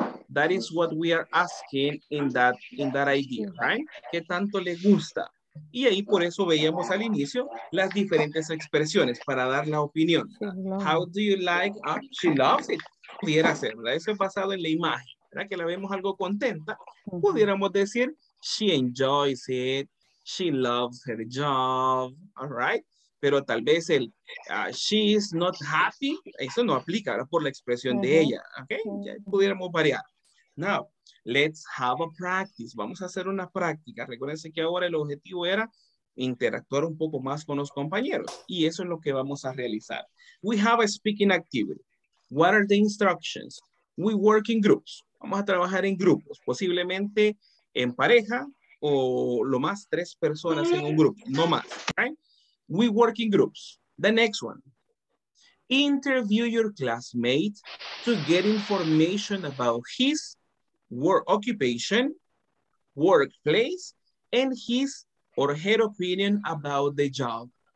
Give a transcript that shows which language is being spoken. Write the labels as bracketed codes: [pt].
[en] That is what we are asking in that idea, right? [es] ¿Qué tanto le gusta? Y ahí por eso veíamos al inicio las diferentes expresiones para dar la opinión. [en] How do you like? She loves it. [es] Pudiera ser, ¿verdad? Eso es basado en la imagen, ¿verdad? Que la vemos algo contenta. Pudiéramos decir, [en] she enjoys it. She loves her job. All right. [es] Pero tal vez el [en] she is not happy. [es] Eso no aplica, ¿verdad? Por la expresión de ella. [en] Ok. [es] Ya pudiéramos variar. [en] Now, let's have a practice. [es] Vamos a hacer una práctica. Recuerden que ahora el objetivo era interactuar un poco más con los compañeros. Y eso es lo que vamos a realizar. [en] We have a speaking activity. What are the instructions? We work in groups. [es] Vamos a trabajar en grupos. Posiblemente en pareja o lo más 3 personas en un grupo. No más. [en] Right? We work in groups. The next one. Interview your classmate to get information about his work occupation, workplace, and his or her opinion about the job.